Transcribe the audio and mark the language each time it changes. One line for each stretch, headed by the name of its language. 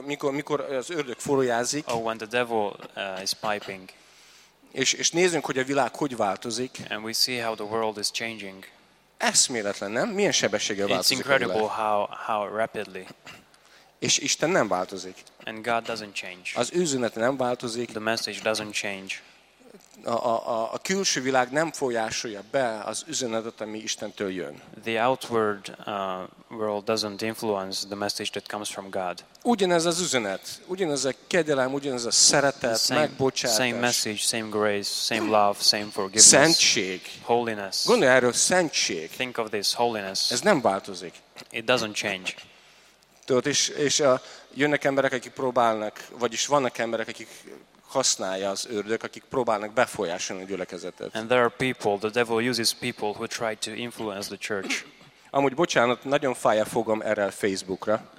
Hungarian: Mikor az ördög furuljázik.
English: Oh, when the devil is piping.
Hungarian: És nézzünk, hogy a világ hogy változik.
English: And we see how the world is changing.
Hungarian: Eszméletlen, nem? Milyen sebességgel
English: it's
Hungarian: változik
English: incredible
Hungarian: a világ.
English: How rapidly.
Hungarian: És Isten nem változik.
English: And God doesn't change.
Hungarian: Az üzenet nem változik.
English: The message doesn't change.
Hungarian: A külső világ nem folyásolja be az üzenetet, ami Istentől jön.
English: The outward world doesn't influence the message that comes from God.
Hungarian: Ugyanez az üzenet, ugyanez a kegyelem, ugyanez a szeretet, megbocsátás.
English: Same message, same grace, same love, same forgiveness.
Hungarian: Szentség.
English: Holiness.
Hungarian: Gondolj erről, szentség.
English: Think of this, holiness.
Hungarian: Ez nem változik.
English: It doesn't change.
Hungarian: Tudod, és jönnek emberek, akik próbálnak, vagyis vannak emberek, akik használja az ördög, akik próbálnak befolyásolni a gyülekezetet.
English: And there are people, the devil uses people who try to influence the church.
Hungarian: Amúgy bocsánat, nagyon fáj a fogam erre a Facebookra.